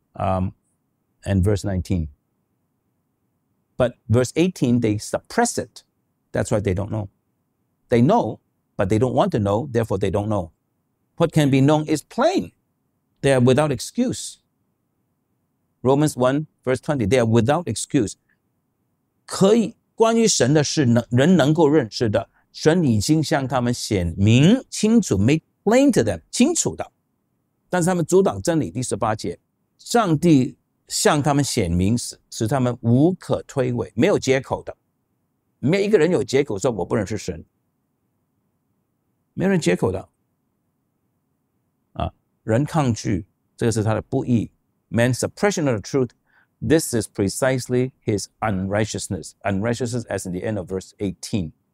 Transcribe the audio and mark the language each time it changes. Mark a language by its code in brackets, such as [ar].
[en] and verse 19. But verse 18, they suppress it. That's why they don't know. They know, but they don't want to know, therefore they don't know. What can be known is plain. They are without excuse. Romans 1, verse 20, they are without excuse. [zh] 可以关于神的事能人能够认识的神已经向他们显明清楚 [en] make plain to them [zh] 清楚的，但是他们阻挡真理第十八节，上帝向他们显明使他们无可推诿，没有借口的，没有一个人有借口说我不认识神，没有人借口的，人抗拒，这个是他的不义 [en] man suppression of the truth. This is precisely his unrighteousness. Unrighteousness as in the end of verse 18.